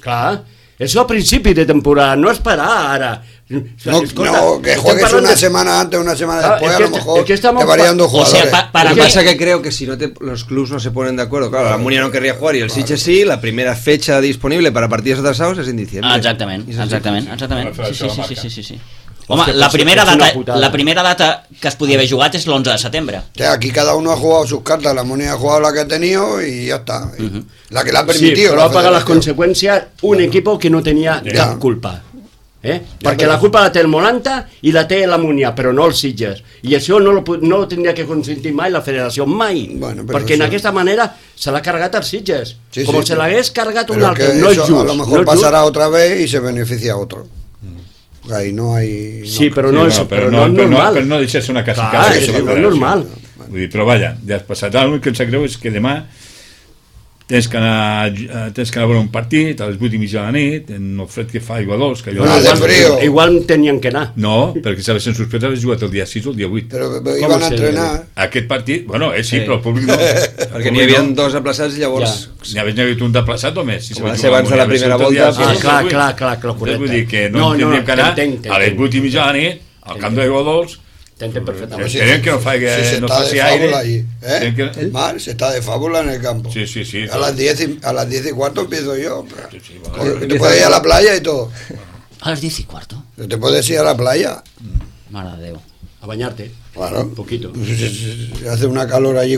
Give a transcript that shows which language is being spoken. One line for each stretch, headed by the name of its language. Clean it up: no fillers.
Catalan: Clar,
Spanish: eso
Catalan: a principi de temporada, no esperar ara.
Spanish: No, escolta, no, que juegues una semana antes, una semana después, a lo mejor te varían dos jugadores. Que creo que si no los clubes no se ponen de acuerdo, claro, la Múnia no querría jugar y el Sitges sí, la primera fecha disponible para partidos atrasados es en diciembre. Exactamente. Sí.
Catalan: Home, la primera data que es podia haver jugat és l'11 de setembre.
Spanish: Sí, aquí cada uno ha jugado sus cartas, la Múnia ha jugado la que ha tenido y ya está. La que la ha permitido.
Catalan: Sí, però ha pagat les conseqüències
Spanish: un equipo que no tenía
Catalan: cap culpa. Perquè la culpa la té el Molanta i la té la Múnia, però no el Sitges, i això no ho tindria que consentir mai la federació, mai, bueno, perquè això... en aquesta manera se l'ha carregat el Sitges, sí, com sí, se l'hagués carregat un altre, no és just.
Spanish: A lo mejor no
Catalan: passarà
Spanish: otra vez i se beneficia otro. Ahí no hay...
Catalan: Sí, però no, sí, no, però no, no és normal. Però no deixar-se una casa. Clar, és que no és normal. Vull dir, però vaja, ja has passat. L'únic que em sap greu és que demà tens que anar a veure un partit a les 8 i mitja de la nit, en el fred que fa, aigua 2, que allò... No, igual tenien que anar. No, perquè sabes, en sospesa has jugat el dia 6 o el dia 8.
Spanish: Però iban a entrenar.
Catalan: Aquest partit, bueno, sí, però el públic no. Perquè n'hi havia dos aplaçats i llavors... N'hi havia hagut un d'aplaçat o més? Va ser abans de la primera volta. Clar, correcte. Vull dir que no teníem que anar a les 8 i mitja de la nit, al camp d'aigua 2... T'entén perfectament. Esperem que no faci, sí, no faci aire.
Spanish: Mar, se está de fábula en el campo. Sí, sí, sí. A las 10 y, a las 10 y cuarto empiezo yo. Sí, sí, te puedes ir a la playa y todo. A las 10 y cuarto. Te puedes ir a la playa.
Catalan: Mare de Déu.
Spanish: A bañarte. Claro. Un poquito. Sí. Hace una calor allí.